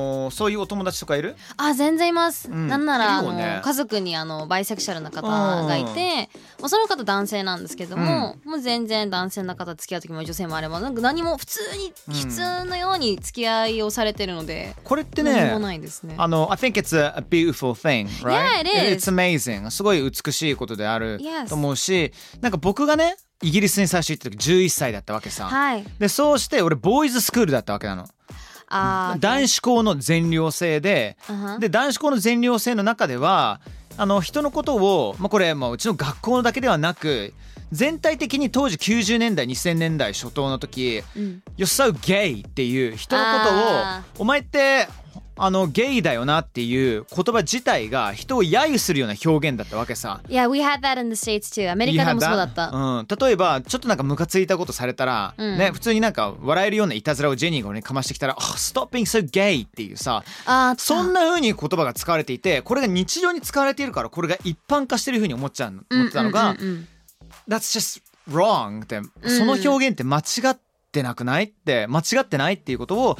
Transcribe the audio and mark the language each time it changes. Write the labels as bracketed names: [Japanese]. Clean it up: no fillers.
[Japanese] そういうお友達とかいる？あ、全然います、うん、なんなら、ね、家族にバイセクシャルな方がいて、まあ、その方男性なんですけども、うん、もう全然男性の方付き合う時も女性もあれば、なんか何も普通に、うん、普通のように付き合いをされてるので、これってね、何もないですね。 [English] I think it's a beautiful thing, right? Yeah, it is. It's amazing. [Japanese] すごい美しいことであると思うし、なんか僕がね、イギリスに最初行った時11歳だったわけさ、はい、でそうして俺ボーイズスクールだったわけなの。あ、男子校の全寮制 で、 uh-huh. で男子校の全寮制の中では、人のことを、まあ、これ、まあ、うちの学校だけではなく全体的に、当時90年代2000年代初頭の時、うん、 [English] You're so gay [Japanese] っていう人のことを、お前ってゲイだよなっていう言葉自体が人を揶揄するような表現だったわけさ。 [English] Yeah, we had that in the States too. [Japanese] アメリカでもそうだった、うん、例えばちょっとなんかムカついたことされたら、うん、ね、普通になんか笑えるようないたずらをジェニーが俺にかましてきたら、 [English] oh, Stop being so gay [Japanese] っていうさ、あ、そんな風に言葉が使われていて、これが日常に使われているから、これが一般化してる風に思っちゃう、思ってたのが、うんうんうんうん、 [English] That's just wrong [Japanese] って、うん、その表現って間違ってってなくないって、間違ってないっていうことを、